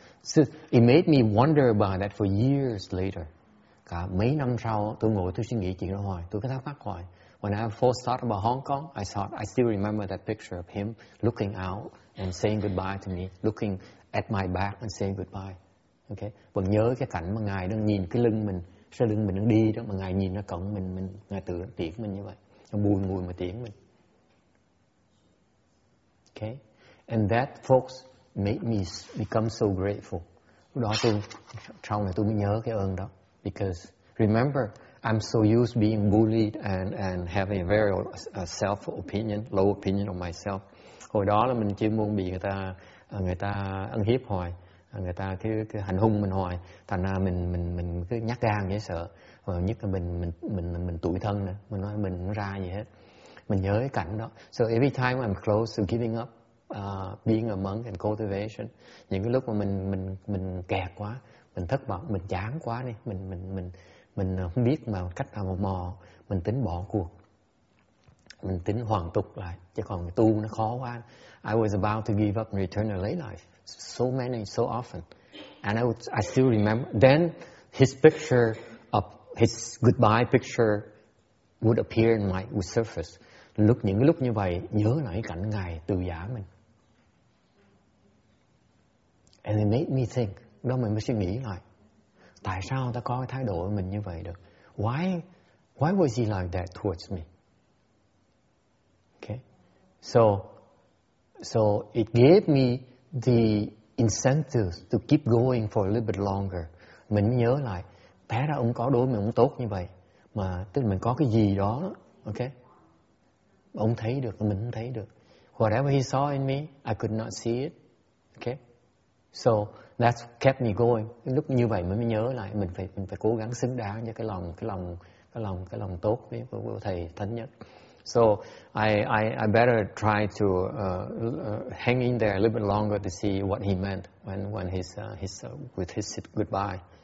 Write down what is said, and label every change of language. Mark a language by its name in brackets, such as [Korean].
[English] So it made me wonder about that for years later. [Vietnamese] Cả mấy năm sau, tôi ngồi tôi suy nghĩ chuyện đó hoài, tôi có thắc mắc hoài. [English] When I first thought about Hong Kong, I still remember that picture of him looking out and saying goodbye to me, looking at my back and saying goodbye. Okay. [Vietnamese] Vẫn nhớ cái cảnh mà ngài đang nhìn cái lưng mình, sau lưng mình đang đi đó, mà ngài nhìn ra cổng mình ngài tự tiễn mình như vậy, ông bùi ngùi mà tiễn mình. [English] Okay. And that, folks, made me become so grateful. [Vietnamese] Đó tôi trong này tôi mới nhớ cái ơn đó, [English] because remember, I'm so used to being bullied and having a very self opinion, low opinion of myself. [Vietnamese] Hồi đó là mình chuyên môn bị người ta ăn hiếp hoài, người ta cứ hành hung mình hoài, thành ra mình cứ nhát gan dễ sợ. Và nhất là mình tủi thân nữa, mình nói mình không ra gì hết. Mình nhớ cái cảnh đó. [English] So every time I'm close to giving up being a monk and cultivation, [Vietnamese] những cái lúc mà mình kẹt quá, mình thất vọng, mình chán quá đi, mình không biết mà cách nào mà mò, mình tính bỏ cuộc, mình tính hoàn tục lại, chứ còn tu nó khó quá. [English] I was about to give up and return to lay life so many, so often, and I still remember. Then his picture of his goodbye picture would appear in my would surface. [Vietnamese] Lúc những cái lúc như vậy nhớ lại cái cảnh ngài từ giã mình, [English] and it made me think. [Vietnamese] Đó mình mới suy nghĩ lại. Tại sao ta có cái thái độ của mình như vậy được? [English] Why was he like that towards me? Okay. So it gave me the incentives to keep going for a little bit longer. [Vietnamese] Mình nhớ lại, té ra ông có đối mình ông tốt như vậy, mà tức là mình có cái gì đó, okay? Ông thấy được, mình không thấy được. [English] Whatever he saw in me, I could not see it. Okay. So that's kept me going. [Vietnamese] Lúc như vậy mới nhớ lại mình phải cố gắng xứng đáng cho cái lòng tốt với thầy thánh nhất. [English] So I better try to hang in there a little bit longer to see what he meant when his goodbye.